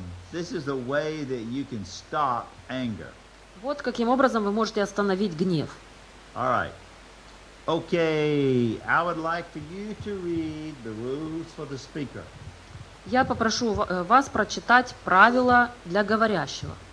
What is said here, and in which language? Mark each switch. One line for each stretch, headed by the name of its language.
English: This is a way that you can stop anger.
Russian: Вот каким образом вы можете остановить гнев.
English: All right. Okay, I would like for you to read the rules for the speaker.
Russian: Я попрошу вас прочитать правила для говорящего.